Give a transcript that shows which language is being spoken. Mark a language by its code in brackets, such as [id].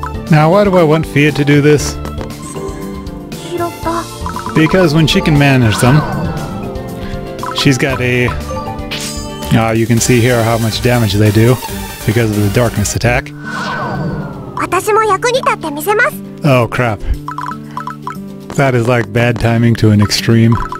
[en] Now why do I want Fia to do this? [ja] 拾った。 [en] Because when she can manage them, she's got a... you can see here how much damage they do because of the darkness attack. [ja] 私も役に立ってみせます。 [en] Oh crap. That is like bad timing to an extreme.